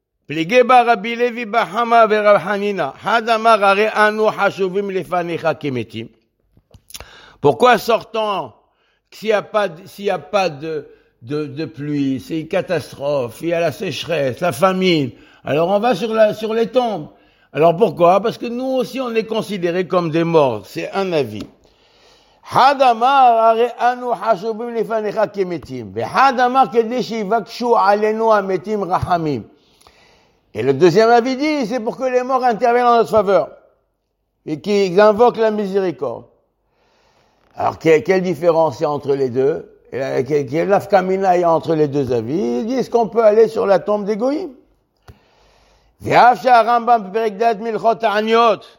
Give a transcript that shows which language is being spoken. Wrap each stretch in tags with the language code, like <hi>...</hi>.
<he>פליגי ברבי לוי בחמה ורב חנינה, חד אמר הרי אנו חשובים לפניך כמתים.</he> <fr>Pourquoi sortant, s'il n'y a pas de pluie, c'est une catastrophe, il y a la sécheresse, la famine, alors on va sur les tombes. Alors pourquoi? Parce que nous aussi on est considérés comme des morts, c'est un avis.</fr> <he>חד אמר הרי אנו חשובים לפניך כמתים, וחד אמר כדי שיבקשו עלינו המתים רחמים.</he> <fr>Et le deuxième avis dit, c'est pour que les morts interviennent en notre faveur et qu'ils invoquent la miséricorde. Alors, quelle différence il y a entre les deux? Quelle lafkamina il y a entre les deux avis? Ils disent qu'on peut aller sur la tombe des goyim.</fr> <he>V'yavcha Rambam Perekdat Milchot Ta'aniot.</he>